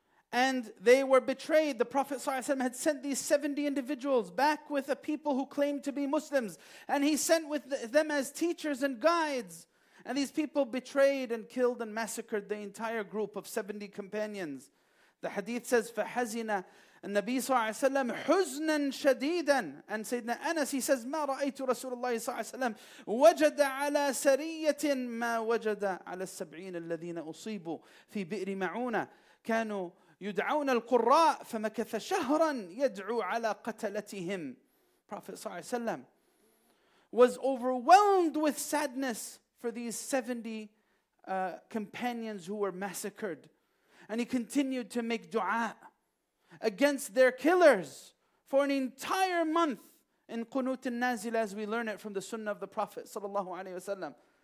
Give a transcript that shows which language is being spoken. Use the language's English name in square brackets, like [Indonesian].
[English] And they were betrayed. The Prophet sallallahu alaihi wasallam had sent these 70 individuals back with a people who claimed to be Muslims. And he sent with them as teachers and guides. And these people betrayed and killed and massacred the entire group of 70 companions. The hadith says, [Arabic] فَحَزِنَا النَّبِي صَلَّى اللَّهُ عَلَيْهِ وَسَلَّمَ حُزْنًا شَدِيدًا. [English] And Sayyidina Anas, he says, [Arabic] مَا رَأَيْتُ رَسُولَ اللَّهِ صَلَّى اللَّهُ عَلَيْهِ وَسَلَّمَ وَجَدَ عَلَى سَرِيَّةٍ مَا وَجَدَ عَلَى السَّبْعِينَ الَّذِينَ أُصِيبُوا فِي بِئْرِ مَعُونَ كَانُوا يُدْعَوْنَ الْقُرَّاءَ فَمَكَثَ شَهْرًا يَدْعُو عَلَى قَتَلَتِهِمْ. [English] Prophet صلى الله عليه وسلم was overwhelmed with sadness for these 70 companions who were massacred. And he continued to make dua against their killers for an entire month in Qunut al-Nazil, as we learn it from the sunnah of the Prophet sallallahu alaihi wasallam.